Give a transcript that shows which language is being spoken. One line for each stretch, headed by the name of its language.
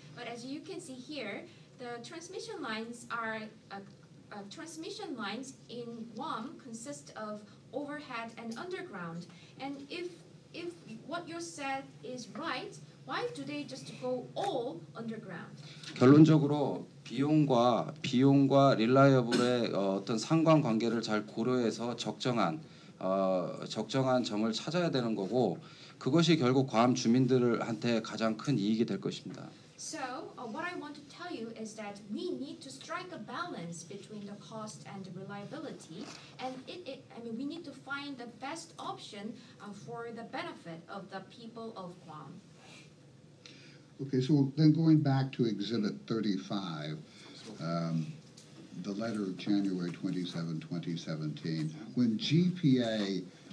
English: But as you can see here, the transmission lines are transmission lines in Guam consist of overhead and underground. And if what you said is right, why do they just go all underground?
Korean: 결론적으로 비용과 릴라이어블의 어떤 상관관계를 잘 고려해서 적정한 점을 찾아야 되는 거고 그것이 결국 괌 주민들한테 가장 큰 이익이 될 것입니다.
English: So what I want to tell you is that we need to strike a balance between the cost and the reliability, and we need to find the best option for the benefit of the people of Guam. Okay, so then going back to Exhibit 35, the letter of January 27, 2017, when GPA...